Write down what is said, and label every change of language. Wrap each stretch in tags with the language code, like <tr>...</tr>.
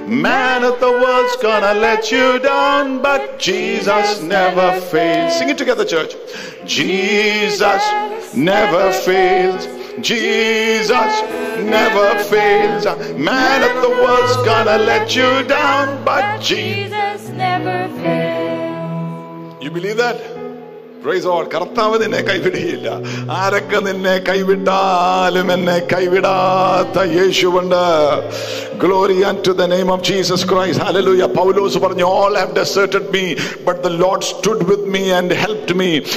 <en>Man of the world's gonna let you down, but Jesus never fails. Sing it together, church. Jesus never fails. Jesus never fails. Man of the world's gonna let you down, but Jesus never fails. You believe that? Praise God.</en> <ml>കർത്താവ് നിന്നെ കൈവിടുകയില്ല. ആരൊക്കെ നിന്നെ കൈവിട്ടാലും എന്നെ കൈവിടാത്ത യേശുവുണ്ട്.</ml> <en>Glory unto the name of Jesus Christ. Hallelujah.</en> <ml>Paulos parnu,</ml> <en>all have deserted me, but the Lord stood with me and helped me.</en>